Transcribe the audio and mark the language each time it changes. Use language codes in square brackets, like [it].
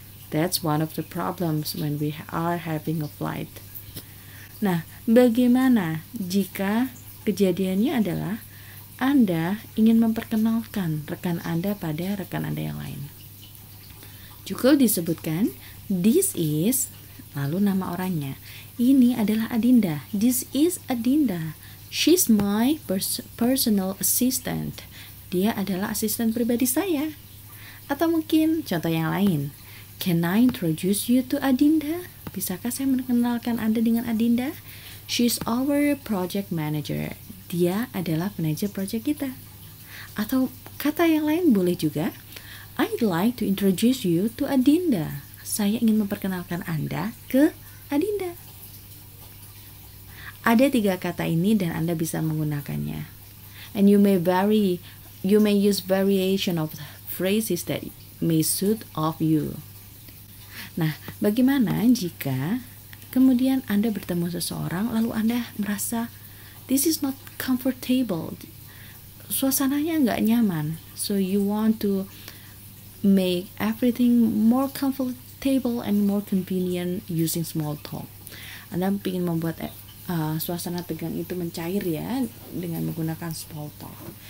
[en] That's one of the problems when we are having a flight. [id] Nah, bagaimana jika kejadiannya adalah Anda ingin memperkenalkan rekan Anda pada rekan Anda yang lain? Cukup disebutkan, this is, lalu nama orangnya. [en] Ini adalah Adinda. This is Adinda. She's my personal assistant. [id] Dia adalah asisten pribadi saya. Atau mungkin contoh yang lain. [en] Can I introduce you to Adinda? Bisakah saya memperkenalkan Anda dengan Adinda? [id] She's our project manager. Dia adalah manajer proyek kita. [en] Atau kata yang lain boleh juga. I'd like to introduce you to Adinda. [id] Saya ingin memperkenalkan Anda ke Adinda. Ada 3 kata ini dan Anda bisa menggunakannya. [en] And you may use variation of phrases that may suit of you. [id] Nah, bagaimana jika kemudian Anda bertemu seseorang lalu Anda merasa this is not comfortable. Suasananya enggak nyaman. [en] So you want to make everything more comfortable and more convenient using small talk. [id] Anda ingin membuat suasana tegang itu mencair ya dengan menggunakan small talk.